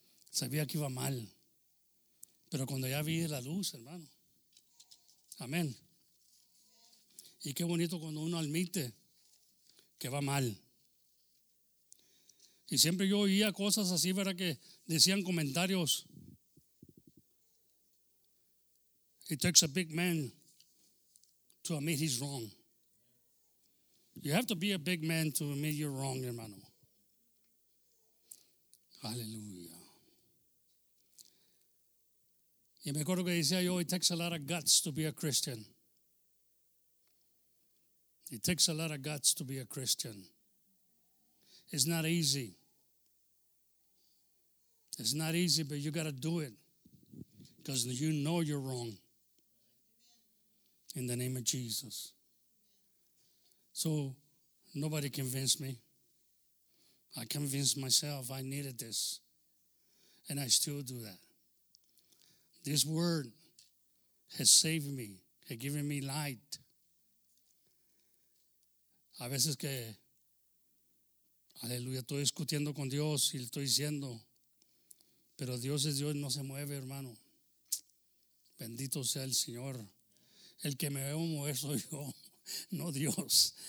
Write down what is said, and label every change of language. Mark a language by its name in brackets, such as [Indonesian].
[Spanish] Sabía que iba mal. Pero cuando ya vi la luz, hermano. Amén. Y qué bonito cuando uno admite que va mal. Y siempre yo oía cosas así, ¿verdad? Que decían comentarios. [English] It takes a big man to admit he's wrong. You have to be a big man to admit you're wrong, hermano. [Spanish] Aleluya. Y me acuerdo que decía yo, [English] it takes a lot of guts to be a Christian. It takes a lot of guts to be a Christian. It's not easy. It's not easy, but you got to do it because you know you're wrong in the name of Jesus. So nobody convinced me. I convinced myself I needed this, and I still do that. This word has saved me, has given me light. [Spanish] A veces que, aleluya, estoy discutiendo con Dios y le estoy diciendo, pero Dios es Dios, no se mueve, hermano. Bendito sea el Señor. El que me veo mover soy yo, no Dios.